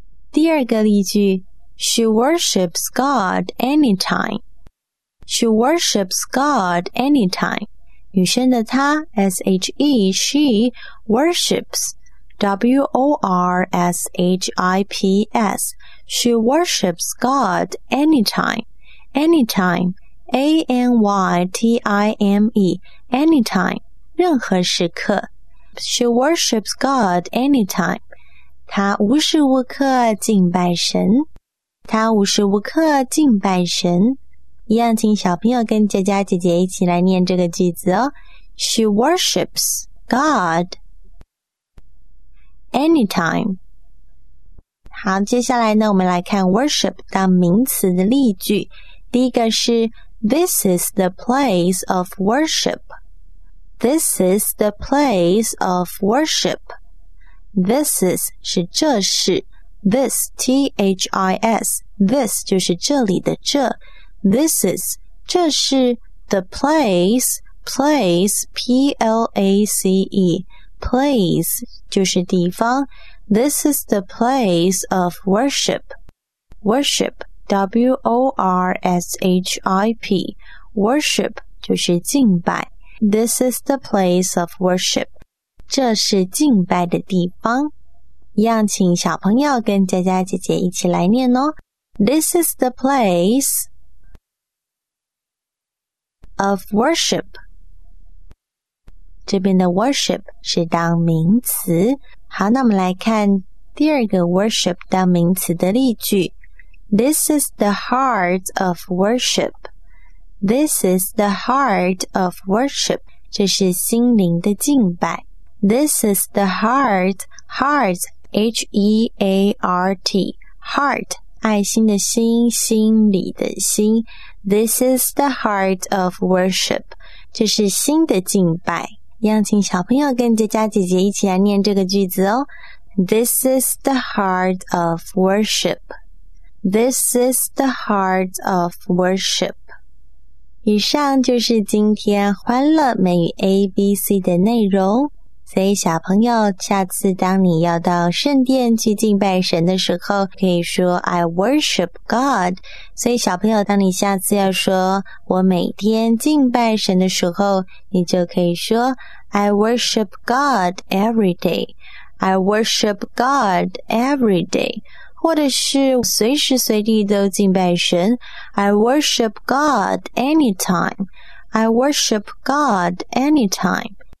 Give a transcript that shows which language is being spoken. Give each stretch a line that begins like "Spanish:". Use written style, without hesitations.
Chinese: 第二个例句
English: She worships God anytime. She worships God anytime.
Chinese: 女生的她
English: ,S-H-E, she worships, W-O-R-S-H-I-P-S. She worships God anytime. Anytime. A-N-Y-T-I-M-E, anytime,
Chinese: 任何时刻。
English: She worships God anytime.
Chinese: 她无时无刻敬拜神。她无时无刻敬拜神。一样请小朋友跟佳佳姐姐一起来念这个句子哦。
English: She worships God anytime.
Chinese: 好，接下来呢我们来看 worship 当名词的例句。第一个是
English: This is the place of worship. This is the place of worship. This is
Chinese: 是这是
English: This, T-H-I-S, this
Chinese: 就是这里的这。
English: This is, 这是 the place, place, P-L-A-C-E, place
Chinese: 就是地方。
English: This is the place of worship. Worship, W-O-R-S-H-I-P, worship
Chinese: 就是敬拜。
English: This is the place of worship.
Chinese: 这是敬拜的地方。一样请小朋友跟佳佳姐姐一起来念哦。
English: This is the place of worship.
Chinese: 这边的 worship 是当名词。好，那我们来看第二个 worship 当名词的例句。
English: This is the heart of worship. This is the heart of worship.
Chinese: 这是心灵的敬拜。
English: This is the heart,H-E-A-R-T, heart,
Chinese: 爱心的心，心里的心。
English: This is the heart of worship,
Chinese: 这是心的敬拜。邀请小朋友跟佳佳姐姐一起来念这个句子哦。
English: This is the heart of worship. This is the heart of worship.
Chinese: 以上就是今天欢乐美语 ABC 的内容。所以小朋友，下次当你要到圣殿去敬拜神的时候，可以说
English: I worship God。
Chinese: 所以小朋友，当你下次要说我每天敬拜神的时候，你就可以说
English: I worship God every day, I worship God every day,
Chinese: 或者是随时随地都敬拜神
English: I worship God anytime, I worship God anytime。